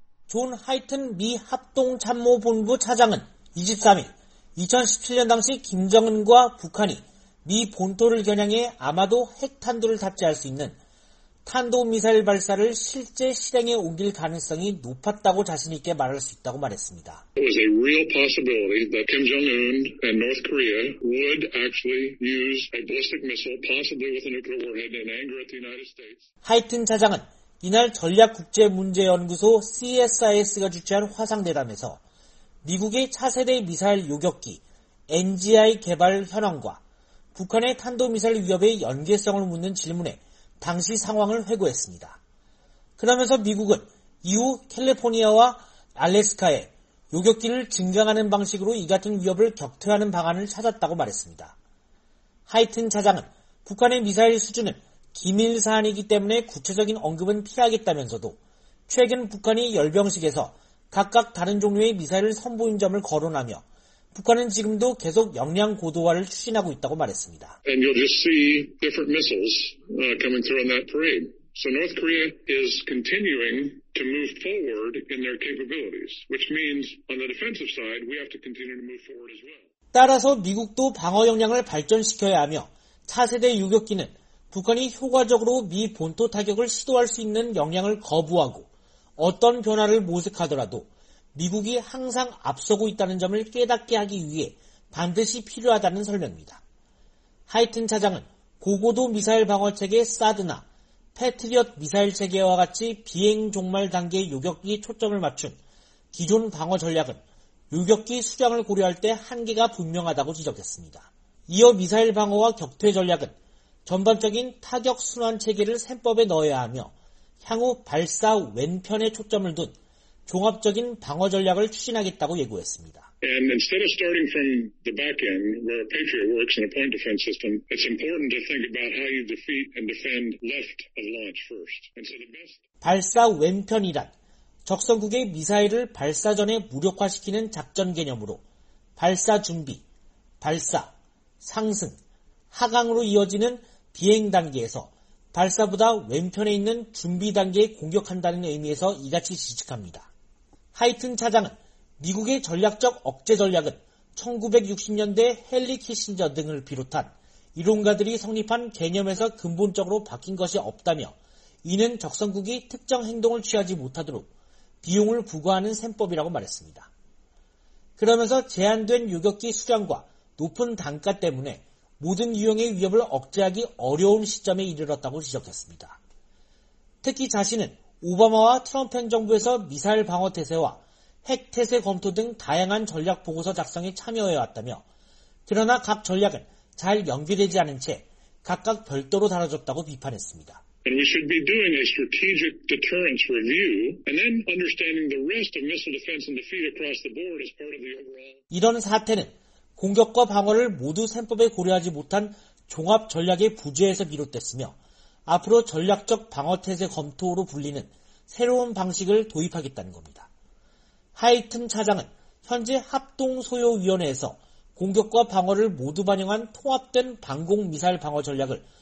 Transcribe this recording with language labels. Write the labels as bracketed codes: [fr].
[ko] 존 하이튼 미 합동참모본부 차장은 23일 2017년 당시 김정은과 북한이 미 본토를 겨냥해 아마도 핵탄두를 탑재할 수 있는 탄도미사일 발사를 실제 실행에 옮길 가능성이 높았다고 자신 있게 말할 수 있다고 말했습니다. [en] It was a real possibility that Kim Jong-un and North Korea would actually use a ballistic missile, possibly with a nuclear warhead, in anger at the United States. [ko] 하이튼 차장은 이날 전략국제문제연구소 CSIS가 주최한 화상대담에서 미국의 차세대 미사일 요격기 NGI 개발 현황과 북한의 탄도미사일 위협의 연계성을 묻는 질문에 당시 상황을 회고했습니다. 그러면서 미국은 이후 캘리포니아와 알래스카에 요격기를 증강하는 방식으로 이 같은 위협을 격퇴하는 방안을 찾았다고 말했습니다. 하이튼 차장은 북한의 미사일 수준은 기밀 사안이기 때문에 구체적인 언급은 피하겠다면서도 최근 북한이 열병식에서 각각 다른 종류의 미사일을 선보인 점을 거론하며 북한은 지금도 계속 역량 고도화를 추진하고 있다고 말했습니다. [en] And you'll just see different missiles coming through on that parade. So North Korea is continuing to move forward in their capabilities, which means on the defensive side, we have to continue to move forward as well. [ko] 따라서 미국도 방어 역량을 발전시켜야 하며 차세대 요격기는 북한이 효과적으로 미 본토 타격을 시도할 수 있는 역량을 거부하고 어떤 변화를 모색하더라도 미국이 항상 앞서고 있다는 점을 깨닫게 하기 위해 반드시 필요하다는 설명입니다. 하이튼 차장은 고고도 미사일 방어 체계 사드나 패트리엇 미사일 체계와 같이 비행 종말 단계 요격기에 초점을 맞춘 기존 방어 전략은 요격기 수량을 고려할 때 한계가 분명하다고 지적했습니다. 이어 미사일 방어와 격퇴 전략은 전반적인 타격 순환 체계를 셈법에 넣어야 하며 향후 발사 왼편에 초점을 둔 종합적인 방어 전략을 추진하겠다고 예고했습니다. [en] And instead of starting from the back end where Patriot works in a point defense system, it's important to think about how you defeat and defend left of launch first. And so the best [ko] 발사 왼편이란 적성국의 미사일을 발사 전에 무력화시키는 작전 개념으로 발사 준비, 발사, 상승, 하강으로 이어지는 비행 단계에서 발사보다 왼편에 있는 준비 단계에 공격한다는 의미에서 이같이 지적합니다. 하이튼 차장은 미국의 전략적 억제 전략은 1960년대 헨리 키신저 등을 비롯한 이론가들이 성립한 개념에서 근본적으로 바뀐 것이 없다며 이는 적성국이 특정 행동을 취하지 못하도록 비용을 부과하는 셈법이라고 말했습니다. 그러면서 제한된 요격기 수량과 높은 단가 때문에 모든 유형의 위협을 억제하기 어려운 시점에 이르렀다고 지적했습니다. 특히 자신은 오바마와 트럼프 행정부에서 미사일 방어 태세와 핵 태세 검토 등 다양한 전략 보고서 작성에 참여해왔다며 그러나 각 전략은 잘 연결되지 않은 채 각각 별도로 다뤄졌다고 비판했습니다. [en] And we should be doing a strategic deterrence review and then understanding the rest of missile defense and defeat across the board as part of the overall. [ko] 이런 사태는 공격과 방어를 모두 셈법에 고려하지 못한 종합 전략의 부재에서 비롯됐으며 앞으로 전략적 방어 태세 검토로 불리는 새로운 방식을 도입하겠다는 겁니다. 하이튼 차장은 현재 합동소요위원회에서 공격과 방어를 모두 반영한 통합된 방공미사일 방어 전략을